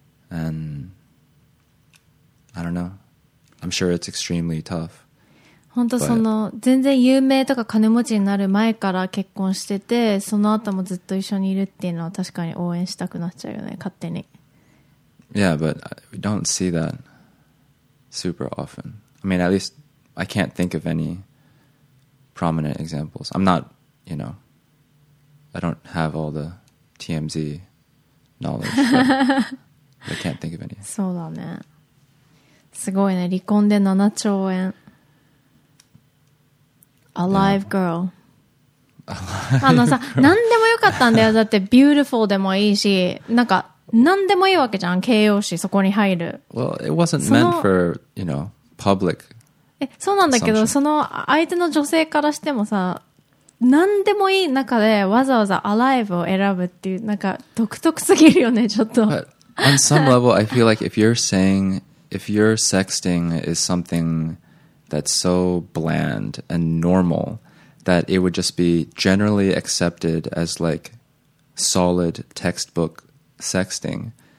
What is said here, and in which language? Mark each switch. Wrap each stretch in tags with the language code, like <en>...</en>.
<en>And I don't know. I'm sure it's extremely tough.</en> <ja>本当その全然有名とか金持ちになる前から結婚してて、その後もずっと一緒にいるっていうのは確かに応援したくなっちゃうよね、勝手に。</ja> <en>Yeah, but we don't see that super often. I mean, at least I can't think of any prominent examples. I'm not, you know, I don't have all the TMZ knowledge. I can't think of any.</en> <ja>そうだね。すごいね、離婚で7兆円。</ja> <en>Alive girl、 yeah.</en> <ja>あのさ何でもよかったんだよ。だって beautiful でもいいし、なんか何でもいいわけじゃん、形容詞そこに入る。</ja> <en>Well, it wasn't meant for, you know, public.</en> <ja>そうなんだけど、その相手の女性からしてもさ、何でもいい中でわざわざ alive を選ぶっていう、なんか独特すぎるよね、ちょっと。</ja> <en>But on some level, I feel like if you're saying, if your sexting is somethingthat's so bland and normal that it would just be generally accepted as like solid textbook sexting.</en>